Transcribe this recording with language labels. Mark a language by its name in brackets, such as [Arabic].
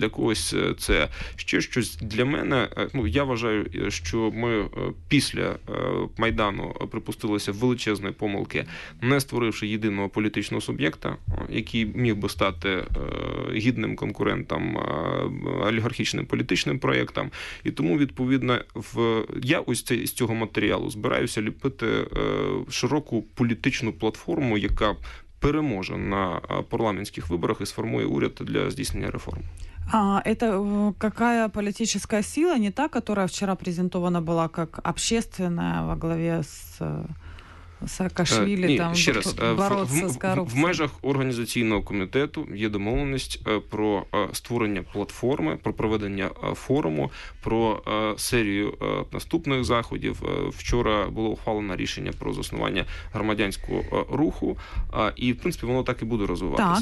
[Ukrainian] Для когось це ще щось. Для мене, ну, я вважаю, що ми після Майдану припустилися величезної помилки, не створивши єдиного політичного суб'єкта, який міг би стати гідним конкурентом олігархічним політичним проєктам. І тому, відповідно, я ось з цього матеріалу збираюся ліпити широку політичну платформу, яка переможе на парламентських виборах і сформує уряд для здійснення реформ. [Russian] А это какая политическая сила, не та, которая вчера презентована была как общественная во главе с... [Ukrainian] Саакашвілі, там, ще раз, бороться з корупцією. В межах організаційного комітету є домовленість про створення платформи, про проведення форуму, про серію наступних заходів. Вчора було ухвалено рішення про заснування громадянського руху, і, в принципі, воно так і буде розвиватися.